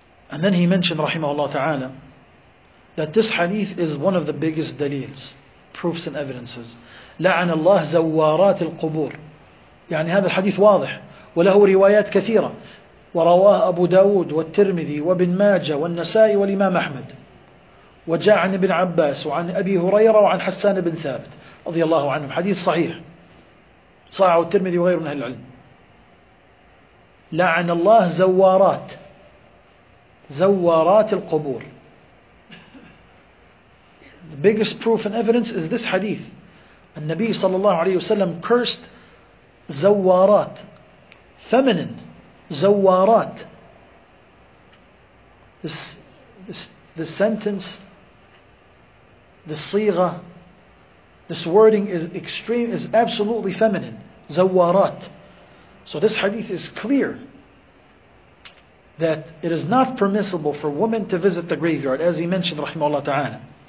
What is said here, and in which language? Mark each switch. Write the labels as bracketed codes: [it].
[en] And then he mentioned, [ar] rahimahullah ta'ala, [en] that this hadith is one of the biggest dalils, proofs and evidences. [ar] لعن الله زوارات القبور. يعني هذا الحديث واضح وله روايات كثيرة. ورواه أبو داود والترمذي وابن ماجة والنسائي والإمام أحمد. وجاء عن ابن عباس وعن أبي هريرة وعن حسان بن ثابت رضي الله عنهم. حديث صحيح. صححه الترمذي وغيره من أهل العلم. لعن الله زوارات. زوارات القبور. [en] The biggest proof and evidence is this hadith. [ar] النبي صلى الله عليه وسلم [en] cursed [ar] زوارات. [en] Feminine. زوارات. This sentence, this صيغة, this wording is extreme, is absolutely feminine. [ar] زوارات. [en] So this hadith is clear that it is not permissible for women to visit the graveyard, as he mentioned, [ar] rahimahullah ta'ala.